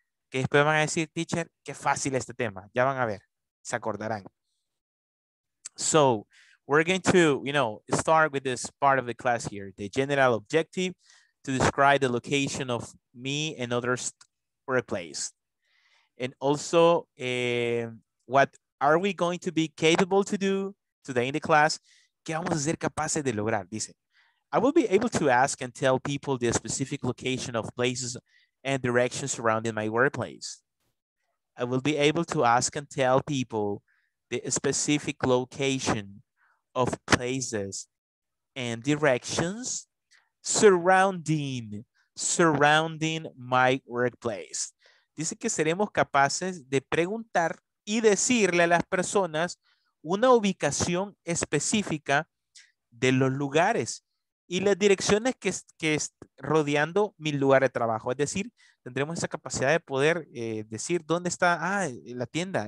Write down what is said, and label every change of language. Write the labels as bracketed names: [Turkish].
[Spanish] Que después van a decir, teacher, qué fácil este tema. Ya van a ver. Se acordarán. [English] So, we're going to, you know, start with this part of the class here. The general objective to describe the location of me and others workplace. And also, what are we going to be capable to do today in the class? [Spanish] ¿Qué vamos a ser capaces de lograr? Dice, [English] I will be able to ask and tell people the specific location of places and directions surrounding my workplace. I will be able to ask and tell people the specific location of places and directions surrounding my workplace. [Spanish] Dice que seremos capaces de preguntar y decirle a las personas una ubicación específica de los lugares y las direcciones que es rodeando mi lugar de trabajo. Es decir, tendremos esa capacidad de poder decir dónde está la tienda.